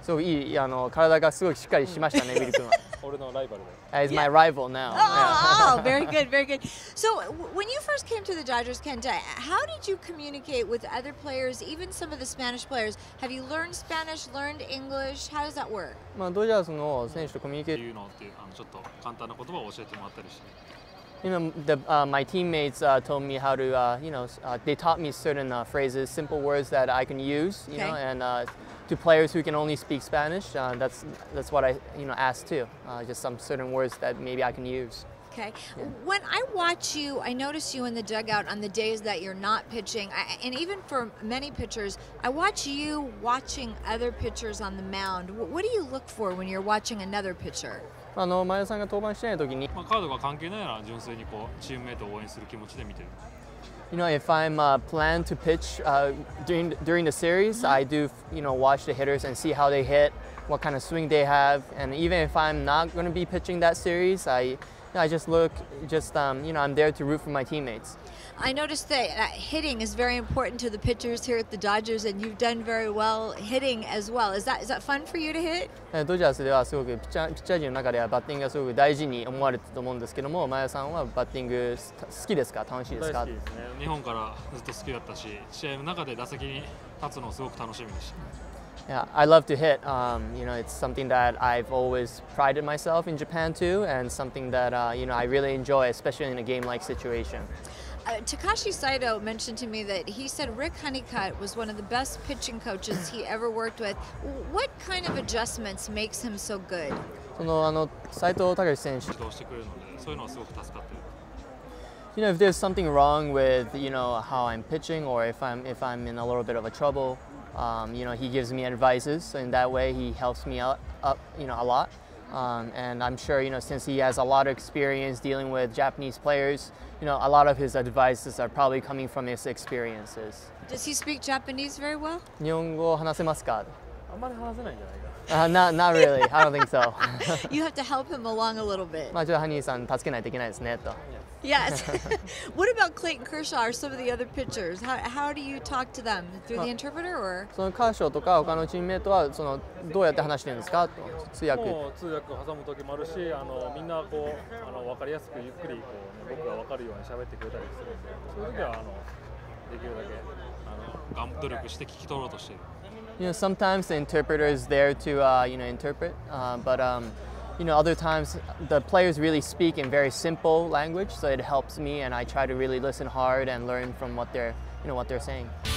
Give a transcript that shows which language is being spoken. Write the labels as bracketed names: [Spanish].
[English] So, [Japanese] いい、体がすごいしっかりしましたね、ビル君は。俺のライバルで。 [English] He's my rival now. Oh, very good, very good. So, when you first came to the Dodgers, Kenta, how did you communicate with other players, even some of the Spanish players? Have you learned Spanish, learned English? How does that work? [Japanese] まあ、ドジャースの選手とコミュニケーション。っていうのっていう、ちょっと簡単な言葉 [English] My teammates told me how to, they taught me certain phrases, simple words that I can use, you know, and to players who can only speak Spanish, that's what I asked too, just some certain words that maybe I can use. Okay. Yeah. When I watch you, I notice you in the dugout on the days that you're not pitching. And even for many pitchers, I watch you watching other pitchers on the mound. What do you look for when you're watching another pitcher? [Japanese] 前田さんが登板してない時に、カードが関係ないなら純粋にこうチームメイトを応援する気持ちで見てる。 [English] You know, if I'm planned to pitch during the series, I do, you know, watch the hitters and see how they hit, what kind of swing they have. And even if I'm not going to be pitching that series, I just look, I'm there to root for my teammates. I noticed that hitting is very important to the pitchers here at the Dodgers, and you've done very well hitting as well. Is that fun for you to hit? [Japanese] ドジャースではすごくピッチャー陣の中ではバッティングがすごく大事に思われたと思うんですけども、前田さんはバッティング好きですか？楽しいですか？大好きですね。日本からずっと好きだったし、試合の中で打席に立つのをすごく楽しみでした。 [English] Yeah, I love to hit. It's something that I've always prided myself in Japan too, and something that I really enjoy, especially in a game-like situation. Takashi Saito mentioned to me that he said Rick Honeycutt was one of the best pitching coaches he ever worked with. What kind of adjustments makes him so good? [Japanese] その斉藤隆選手どうしてくれるので、そういうのはすごく助かってる。 [English] You know, if there's something wrong with how I'm pitching, or if I'm in a little bit of a trouble, he gives me advices. So in that way, he helps me up a lot. And I'm sure, since he has a lot of experience dealing with Japanese players, a lot of his advices are probably coming from his experiences. Does he speak Japanese very well? [Japanese] 日本語話せますか？あんまり話せないんじゃないか？ [English] Not really. I don't think so. You have to help him along a little bit. [Japanese] まあ、ちょっとハニーさん助けないといけないですねと。 [English] Yes. What about Clayton Kershaw or some of the other pitchers? How do you talk to them? Through the interpreter or? [Japanese] そのカーショーとか他のチームメイトはそのどうやって話してるんですかと通訳。もう通訳挟む時もあるし、みんなこう分かりやすくゆっくりこう僕が分かるように喋ってくれたりするんで、そういう時はできるだけ努力して聞き取ろうとしてる。 [English] Sometimes the interpreter is there to interpret, but other times the players really speak in very simple language, so it helps me, and I try to really listen hard and learn from what they're saying.